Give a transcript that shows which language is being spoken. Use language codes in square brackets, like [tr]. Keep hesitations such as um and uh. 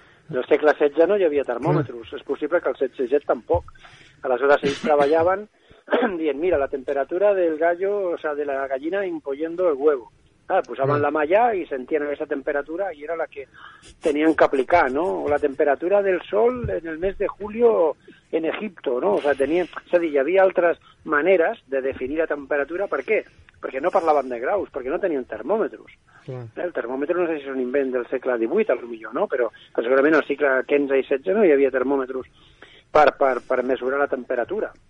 [ca] en el segle XVI ja no hi havia termòmetres, sí. és possible que el XVI tampoc. Aleshores ells treballaven dient, mira, [es] la temperatura del gallo, o sea, de la gallina impoyendo el huevo. [ca] Ah, posaven [es] mm. [ca] la mà allà i sentien aquesta temperatura i era la que tenien que aplicar, no? [es] O la temperatura del sol en el mes de julio en Egipto, no? [ca] O sea, tenien... És a dir, hi havia altres maneres de definir la temperatura. Per què? Perquè no parlaven de graus, perquè no tenien termòmetres. Mm. Sí. El termòmetre no sé si és un invent del segle XVIII, al millor, no? Però, però segurament al segle XV i XVI no hi havia termòmetres per, per, per mesurar la temperatura.